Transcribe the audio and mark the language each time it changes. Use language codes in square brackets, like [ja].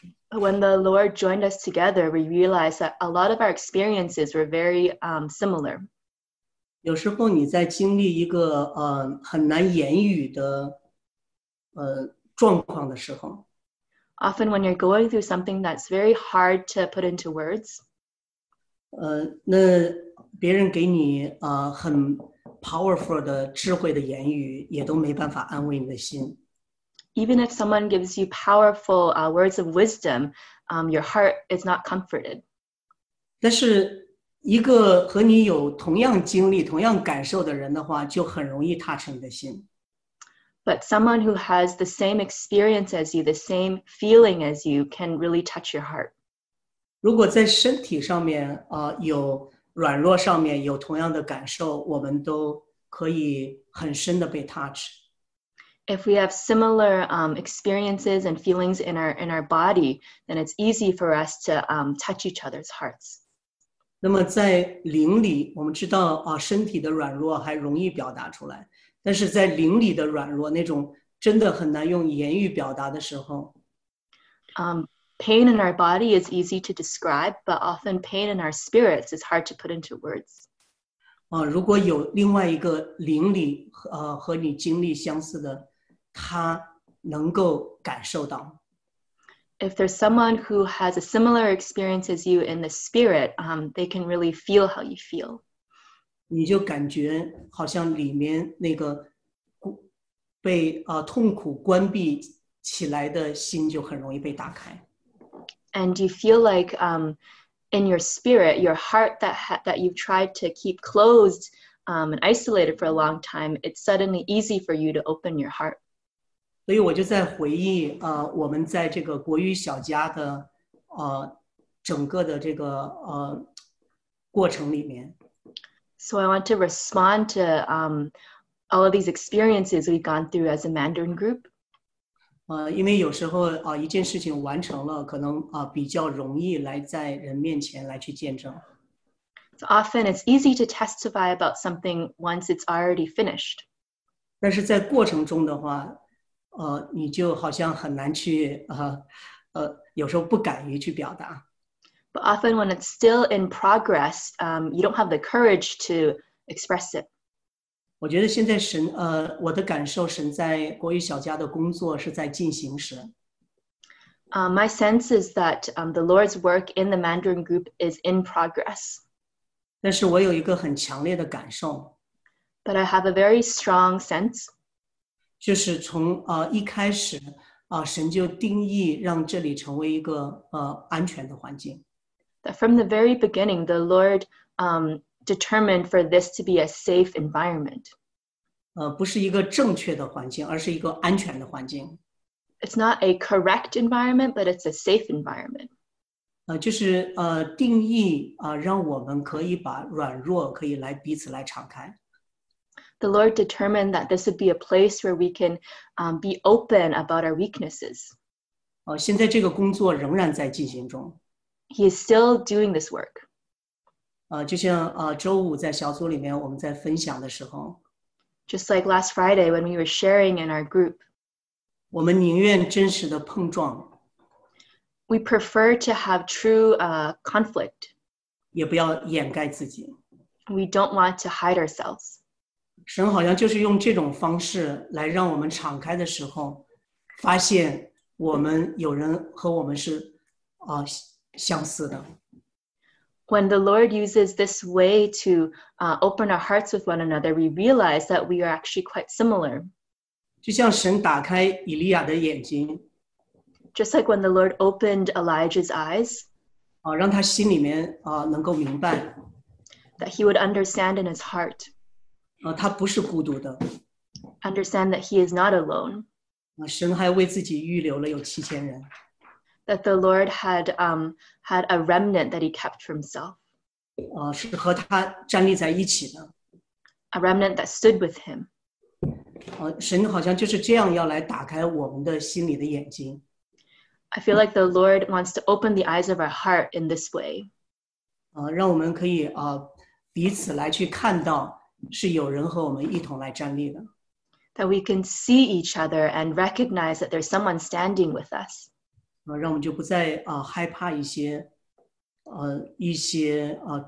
[en] When the Lord joined us together, we realized that a lot of our experiences were very similar. [zh] 有时候你在经历一个很难言语的状况的时候。 [en] Often when you're going through something that's very hard to put into words. [zh] 那别人给你很 powerful 的智慧的言语，也都没办法安慰你的心。 [en] Even if someone gives you powerful words of wisdom, your heart is not comforted. [zh] 但是一个和你有同样经历、同样感受的人的话，就很容易踏成你的心。 [en] But someone who has the same experience as you, the same feeling as you, can really touch your heart. [zh] 如果在身体上面有软弱上面有同样的感受，我们都可以很深的被 touch。 [en] If we have similar experiences and feelings in our body, then it's easy for us to touch each other's hearts. [zh] 那么在灵里，我们知道身体的软弱还容易表达出来。但是在灵里的软弱，那种真的很难用言语表达的时候。 [en] Pain in our body is easy to describe, but often pain in our spirits is hard to put into words. [zh] 如果有另外一个灵里和你经历相似的，他能够感受到。 [en] If there's someone who has a similar experience as you in the spirit, they can really feel how you feel. [zh] 你就感觉好像里面那个被痛苦关闭起来的心就很容易被打开。 [en] And you feel like in your spirit, your heart that you've tried to keep closed and isolated for a long time, it's suddenly easy for you to open your heart. [zh] 所以我就在回忆我们在这个国语小家的整个的这个过程里面。 [en] So I want to respond to all of these experiences we've gone through as a Mandarin group. [zh] 因为有时候一件事情完成了，可能比较容易来在人面前来去见证。 [en] So often it's easy to testify about something once it's already finished. [zh] 但是在过程中的话，你就好像很难去有时候不敢于去表达。 [en] But often when it's still in progress, you don't have the courage to express it. [zh] 我觉得现在神我的感受，神在国语小家的工作是在进行时。 [en] My sense is that the Lord's work in the Mandarin group is in progress. [zh] 但是我有一个很强烈的感受。 [en] But I have a very strong sense. [zh] 就是从一开始神就定义让这里成为一个安全的环境。 [en] That from the very beginning, the Lord determined for this to be a safe environment. [zh] 不是一个正确的环境，而是一个安全的环境。 [en] It's not a correct environment, but it's a safe environment. [zh] 就是定义让我们可以把软弱可以来彼此来敞开。 [en] The Lord determined that this would be a place where we can be open about our weaknesses. [zh] 现在这个工作仍然在进行中。 [en] He is still doing this work. [zh] 就像周五在小组里面我们在分享的时候。 [en] Just like last Friday when we were sharing in our group. [zh] 我们宁愿真实的碰撞。 [en] We prefer to have true conflict. [zh] 也不要掩盖自己。 [en] We don't want to hide ourselves. [zh] 神好像就是用这种方式来让我们敞开的时候，发现我们有人和我们是相似的。 [en] When the Lord uses this way to open our hearts with one another, we realize that we are actually quite similar. [zh] 就像神打开以利亚的眼睛。 [en] Just like when the Lord opened Elijah's eyes. [zh] 让他心里面能够明白。 [en] That he would understand in his heart. [zh] 他不是孤独的。 [en] Understand that he is not alone. [zh] 神还为自己预留了有7000人。 [en] That the Lord had had a remnant that he kept for himself. [zh] 是和他站立在一起的。 [en] A remnant that stood with him. [zh] 神好像就是这样要来打开我们的心里的眼睛。 [en] I feel like the Lord wants to open the eyes of our heart in this way. [zh] 让我们可以彼此来去看到是有人和我们一同来站立的。 [en] That we can see each other and recognize that there's someone standing with us. [zh] 让我们就不再害怕一些一些